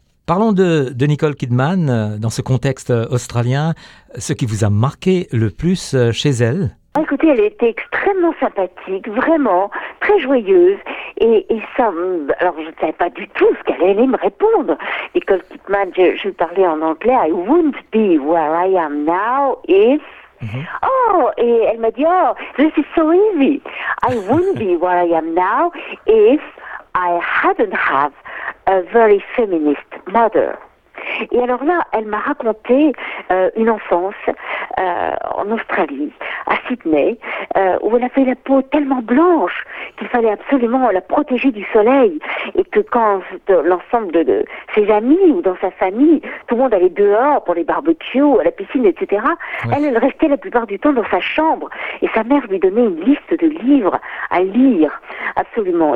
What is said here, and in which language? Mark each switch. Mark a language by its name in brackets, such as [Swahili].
[French] Parlons de Nicole Kidman dans ce contexte australien. Ce qui vous a marqué le plus chez elle? Écoutez, elle était extrêmement sympathique, vraiment très joyeuse. Et ça, alors je ne savais pas du tout ce qu'elle allait me répondre. Nicole Kidman, je parlais en anglais. [English] I wouldn't be where I am now if. Mm-hmm. [French] Oh, et elle m'a dit, [English] oh, this is so easy. I wouldn't be where I am now if I hadn't have a very feminist mother. [French] Et alors là, elle m'a raconté une enfance en Australie, à Sydney, où elle avait la peau tellement blanche qu'il fallait absolument la protéger du soleil, et que quand l'ensemble de ses amis ou dans sa famille, tout le monde allait dehors pour les barbecues, à la piscine, etc., elle restait la plupart du temps dans sa chambre, et sa mère lui donnait une liste de livres à lire, absolument.